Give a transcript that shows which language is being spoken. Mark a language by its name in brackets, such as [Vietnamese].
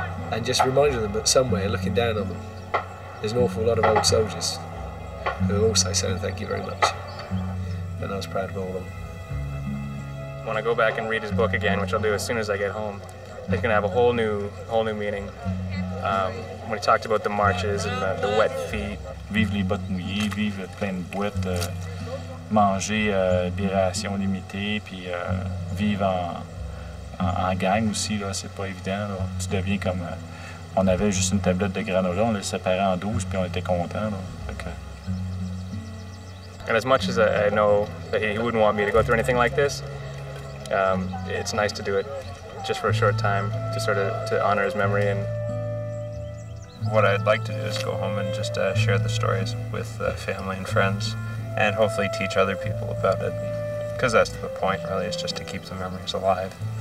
[English] And just reminding them that somewhere, looking down on them, there's an awful lot of old soldiers who are also saying thank you very much. And I was proud of all of them. When I go back and read his book again, which I'll do as soon as I get home, it's going to have a whole new meaning. When he talked about the marches and the wet feet. [French] Vive les bottes mouillées, vive plein de boîtes, manger des rations limitées, puis vivre en gang aussi, là, c'est pas évident. Là. Tu deviens comme... on avait juste une tablette de granola, on les séparait en 12, puis on était contents. Là. Okay. [English] And as much as I know that he wouldn't want me to go through anything like this, it's nice to do it just for a short time, to sort of to honor his memory. And what I'd like to do is go home and just share the stories with family and friends, and hopefully teach other people about it, because that's the point, really, is just to keep the memories alive.